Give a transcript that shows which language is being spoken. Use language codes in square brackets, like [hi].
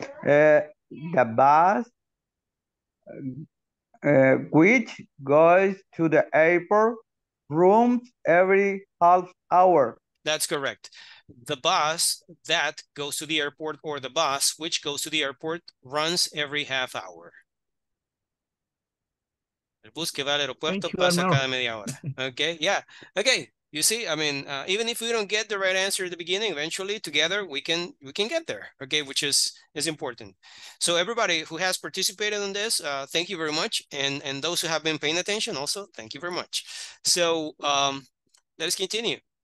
[en] The bus, which goes to the airport, runs every half hour. That's correct. The bus that goes to the airport or the bus which goes to the airport runs every half hour. [es] El bus que va al aeropuerto pasa cada media hora. [en] Okay, yeah. Okay, you see, I mean, even if we don't get the right answer at the beginning, eventually together we can get there, okay, which is important. So everybody who has participated in this, thank you very much. And those who have been paying attention also, thank you very much. So let us continue.